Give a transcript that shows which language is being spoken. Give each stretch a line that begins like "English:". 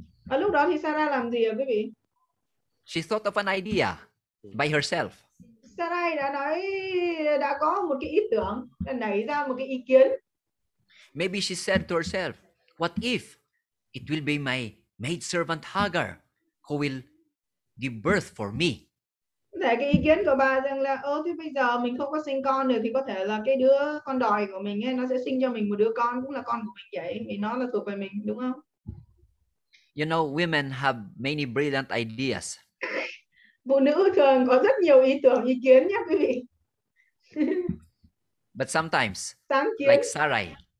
Vietnamese: À, lúc đó thì Sarah làm gì ạ quý vị?
English: She thought of an idea by herself.
Vietnamese: Sarai đã có một cái ý tưởng, đã nảy ra một cái ý kiến.
English: Maybe she said to herself, what if it will be my maid servant Hagar who will give birth for me?
Vietnamese: Thế cái ý kiến của bà rằng là ơ thì bây giờ mình không có sinh con nữa thì có thể là cái đứa con đòi của mình ấy, nó sẽ sinh cho mình một đứa con cũng là con của mình vậy vì nó là thuộc về mình, đúng không?
English: You know, women have many brilliant ideas.
Vietnamese: Phụ nữ thường có rất nhiều ý tưởng, ý kiến nhé quý vị.
English: But sometimes, like Sarai,